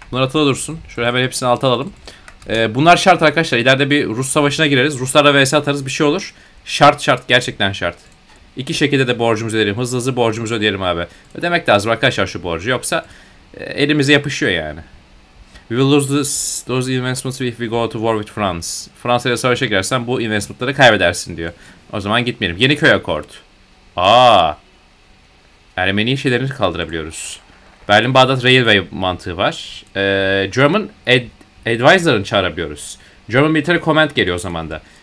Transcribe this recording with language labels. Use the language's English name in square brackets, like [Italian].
[Turkish] Şöyle hemen hepsini alta alalım. Bunlar şart arkadaşlar. İleride bir Rus savaşına gireriz. Ruslarla vs atarız bir şey olur. Şart şart. Gerçekten şart. İki şekilde de borcumuzu ödeyelim. Hızlı hızlı borcumuzu ödeyelim abi. Ödemek lazım arkadaşlar şu borcu. Yoksa elimize yapışıyor yani. [English] We will lose those investments if we go to war with France. [Turkish] Fransa'ya savaşa girersen bu investmentları kaybedersin diyor. O zaman gitmeyelim. Yeni köy akord. Aaa. Ermeni şeylerini kaldırabiliyoruz. Berlin Bağdat Railway mantığı var. German Advisor'ını çağırabiliyoruz. German Military Command geliyor o zaman da.